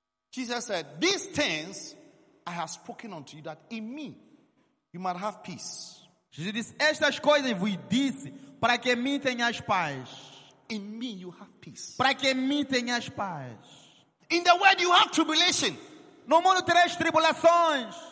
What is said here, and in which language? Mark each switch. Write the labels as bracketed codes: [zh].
[en] Jesus said, these things I have spoken unto you that in me You might have peace. [pt] Jesus disse, estas coisas vos disse para que em mim tenhas paz. [en] In me you have peace. [pt] Para que em mim tenhas paz. [en] In the world you have tribulation. [pt] No mundo tereis tribulações.